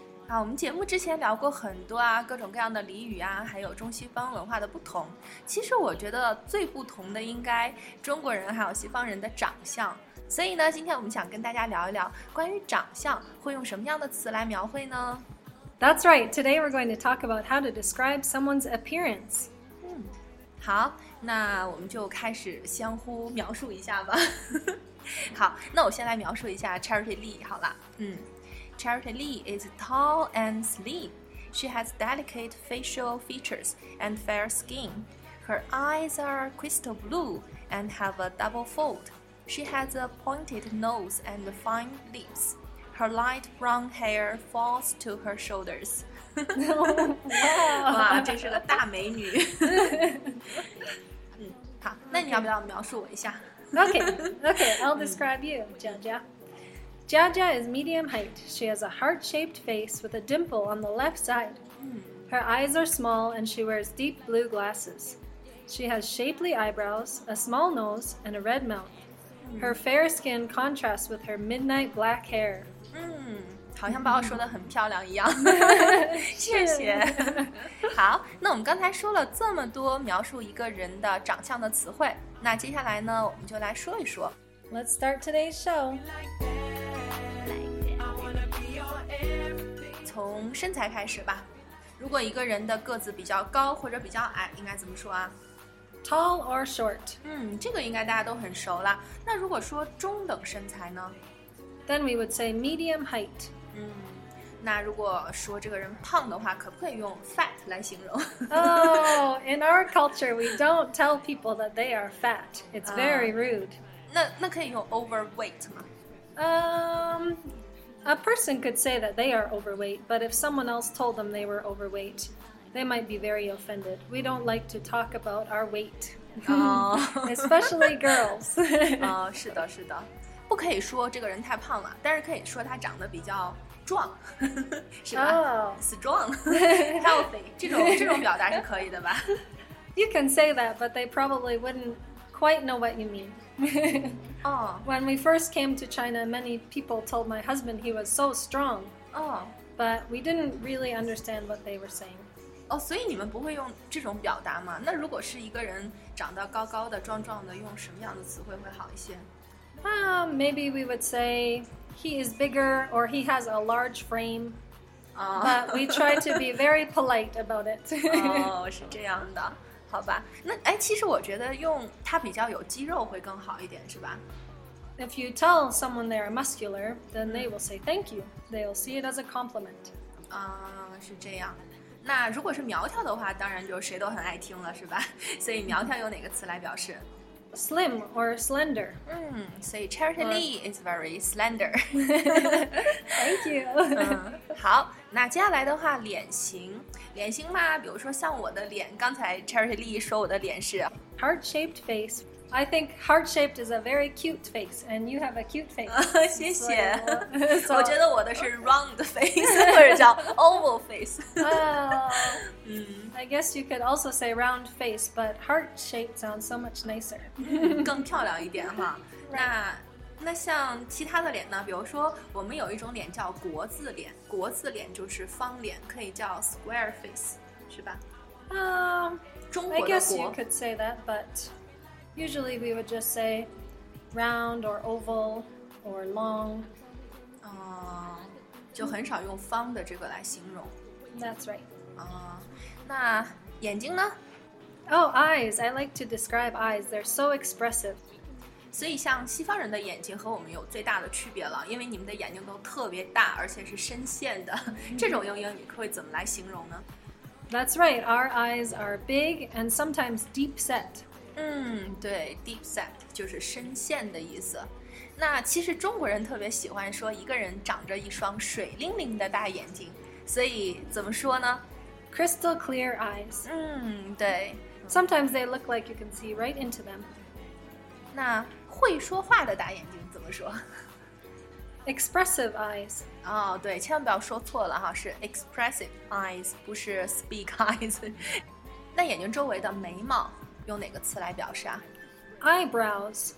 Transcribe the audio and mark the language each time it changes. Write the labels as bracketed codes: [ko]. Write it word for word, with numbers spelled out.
[zh] 啊，我们节目之前聊过很多啊，各种各样的俚语啊，还有中西方文化的不同。其实我觉得最不同的应该中国人还有西方人的长相。所以呢，今天我们想跟大家聊一聊关于长相会用什么样的词来描绘呢？ [en] That's right. Today we're going to talk about how to describe someone's appearance. [zh] 嗯，好，那我们就开始相互描述一下吧。好，那我先来描述一下 Charity Lee 好了。嗯 ， [en] Charity Lee is tall and slim. She has delicate facial features and fair skin. Her eyes are crystal blue and have a double fold. She has a pointed nose and fine lips. Her light brown hair falls to her shoulders. [zh] 哇，这是个大美女。嗯，好，那你要不要描述我一下 [en] ？Okay, okay, I'll describe you, Jiajia. Jiajia is medium height. She has a heart-shaped face with a dimple on the left side. Her eyes are small, and she wears deep blue glasses. She has shapely eyebrows, a small nose, and a red mouth. Her fair skin contrasts with her midnight black hair. [zh] 嗯，好像把我说得很漂亮一样。谢谢。好，那我们刚才说了这么多描述一个人的长相的词汇，那接下来呢，我们就来说一说。 [en] Let's start today's show. [zh] 从身材开始吧。如果一个人的个子比较高或者比较矮，应该怎么说啊？ [en] Tall or short? [zh] 嗯，这个应该大家都很熟了。那如果说中等身材呢？ [en] Then we would say medium height. [zh] 嗯，那如果说这个人胖的话，可不可以用 fat 来形容？ [en] Oh, in our culture, we don't tell people that they are fat. It's very rude. [zh] 那那可以用 overweight 吗？ [en] Um, a person could say that they are overweight, but if someone else told them they were overweight, they might be very offended. We don't like to talk about our weight, especially girls. [zh] 哦，是的，是的。不可以说这个人太胖了，但是可以说他长得比较壮，是吧？ [en] Oh. [zh] Strong, healthy 这种这种表达是可以的吧 [en] ？You can say that, but they probably wouldn't quite know what you mean. Oh. When we first came to China, many people told my husband he was so strong. Oh. But we didn't really understand what they were saying. [zh] 哦，所以你们不会用这种表达吗？那如果是一个人长得高高的、壮壮的，用什么样的词汇会好一些？ [en] Uh, maybe we would say he is bigger or he has a large frame, oh. But we try to be very polite about it. [zh] 哦，是这样的，好吧。那哎，其实我觉得用他比较有肌肉会更好一点，是吧？ [en] If you tell someone they are muscular, then they will say thank you. They'll see it as a compliment. [zh] 啊，是这样。那如果是苗条的话，当然就谁都很爱听了，是吧？所以苗条用哪个词来表示？ [en] Slim or slender. [zh] 嗯，所以 [en] Charity Lee is very slender. Thank you. [zh] 嗯，好，那接下来的话，脸型，脸型嘛，比如说像我的脸，刚才 Charity Lee 说我的脸是 [en] heart-shaped face. I think heart-shaped is a very cute face, and you have a cute face. [zh] 谢谢。我觉得我的是 round face 或者叫 oval face. [en] Oh. [zh] 嗯。 [en] I guess you could also say round face, but heart shape sounds so much nicer. [zh] 更漂亮一点哈。那那像其他的脸呢？比如说，我们有一种脸叫国字脸，国字脸就是方脸，可以叫 square face， 是吧？啊、um, ，中国的国。 [en] I guess you could say that, but usually we would just say round or oval or long. [zh] 嗯，就很少用方的这个来形容。 [en] That's right. [zh] 嗯。那眼睛呢？ [en] Oh, eyes. I like to describe eyes. They're so expressive. [zh] 所以像西方人的眼睛和我们有最大的区别了，因为你们的眼睛都特别大，而且是深陷的。这种用英语会怎么来形容呢？ [en] That's right. Our eyes are big and sometimes deep set. [zh] 嗯，对 ,deep set 就是深陷的意思。那其实中国人特别喜欢说一个人长着一双水灵灵的大眼睛，所以怎么说呢？ [en] Crystal clear eyes. [zh] 嗯，对。 [en] Sometimes they look like you can see right into them. [zh] 那会说话的大眼睛怎么说？ [en] Expressive eyes. [zh] 哦，对，千万不要说错了哈，是 expressive eyes， 不是 speak eyes. 那眼睛周围的眉毛用哪个词来表示啊？ [en] eyebrows,